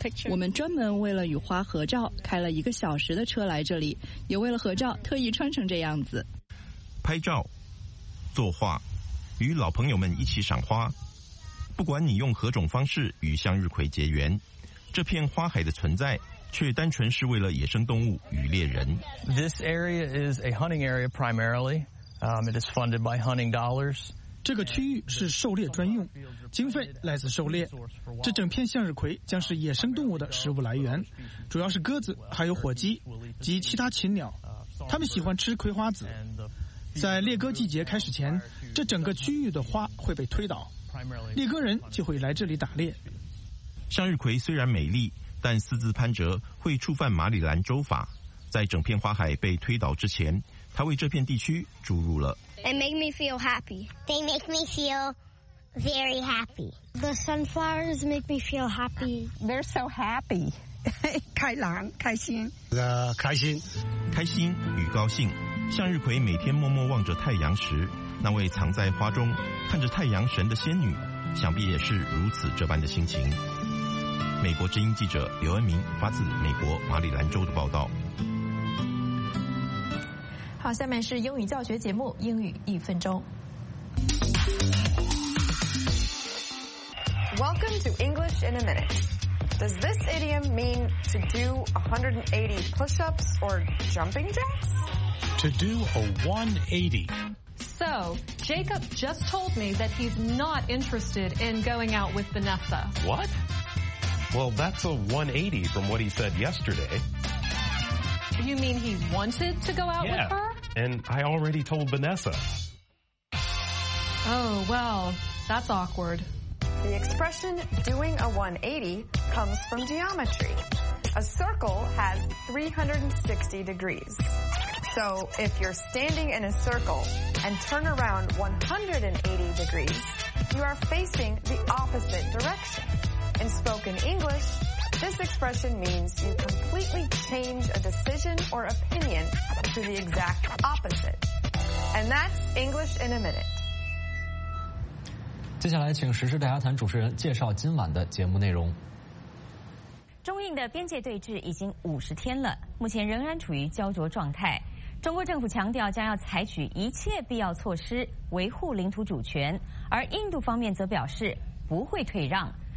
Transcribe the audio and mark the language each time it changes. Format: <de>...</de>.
<zh>我们专门为了与花合照开了1个小时的车来这里，也为了合照特意穿成这样子。拍照、作画、与老朋友们一起赏花，不管你用何种方式与向日葵结缘，这片花海的存在却单纯是为了野生动物与猎人。</zh> <en>This area is a hunting area primarily. It is funded by hunting dollars.</en> <zh>这个区域是狩猎专用，经费来自狩猎。这整片向日葵将是野生动物的食物来源，主要是鸽子还有火鸡及其他禽鸟，它们喜欢吃葵花籽。在猎鸽季节开始前，这整个区域的花会被推倒，猎鸽人就会来这里打猎。向日葵虽然美丽，但私自攀折会触犯马里兰州法。在整片花海被推倒之前，它为这片地区注入了。</zh> <en>It make me feel happy. They make me feel very happy. The sunflowers make me feel happy. They're so happy.</en> <zh>开朗，开心。开心，开心与高兴。向日葵每天默默望着太阳时，那位藏在花中看着太阳神的仙女，想必也是如此这般的心情。美国之音记者刘恩明发自美国马里兰州的报道。好，下面是英语教学节目《英语一分钟》。</zh> <en>Welcome to English in a Minute. Does this idiom mean to do 180 push-ups or jumping jacks? To do a 180. So, Jacob just told me that he's not interested in going out with Vanessa. What? Well, that's a 180 from what he said yesterday. You mean he wanted to go out with her? And I already told Vanessa. Oh, well, that's awkward. The expression doing a 180 comes from geometry. A circle has 360 degrees. So if you're standing in a circle and turn around 180 degrees, you are facing the opposite direction. In spoken English, this expression means you completely change a decision or opinion to the exact opposite. And that's English in a Minute.</en> <zh>接下来请时事大家谈主持人介绍今晚的节目内容。中印的边界对峙已经50天了，目前仍然处于焦灼状态。中国政府强调将要采取一切必要措施维护领土主权，而印度方面则表示不会退让。</zh>